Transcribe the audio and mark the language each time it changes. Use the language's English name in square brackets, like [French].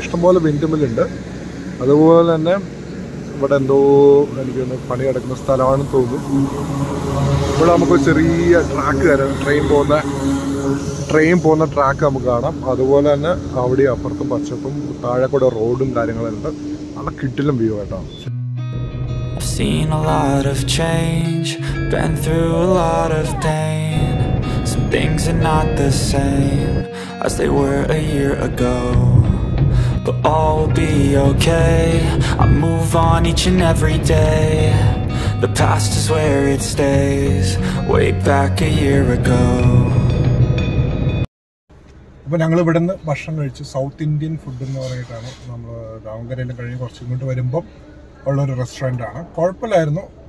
[Malayalam] ഇഷ്ടംപോലെ വിൻഡ്മില്ലുണ്ട്. അതുപോലെ തന്നെ ഇവിടെ എന്തോ എനിക്ക് പണി കിടക്കുന്ന സ്ഥലമാണെന്ന് തോന്നുന്നു. ഇവിടെ നമുക്ക് ചെറിയ ട്രാക്ക് തരാം, ട്രെയിൻ പോകുന്ന ട്രാക്ക് നമുക്ക് കാണാം. അതുപോലെ തന്നെ അവിടെ അപ്പുറത്തും പച്ചപ്പും താഴെ കൂടെ റോഡും കാര്യങ്ങളും ഉണ്ട്. [English] I've seen a lot of change, been through a lot of pain. Some things are not the same as they were a year ago. But all will be okay, I move on each and every day. The past is where it stays, way back a year ago. [Malayalam] അപ്പോൾ ഞങ്ങൾ ഇവിടെ നിന്ന് ഭക്ഷണം കഴിച്ച് south Indian food എന്ന് പറഞ്ഞിട്ടാണ് നമ്മൾ ദാവങ്കരയിൽ കഴിഞ്ഞ് കുറച്ച് ഇങ്ങോട്ട് വരുമ്പം ഉള്ളൊരു റെസ്റ്റോറൻറ്റാണ്. കുഴപ്പമില്ലായിരുന്നു.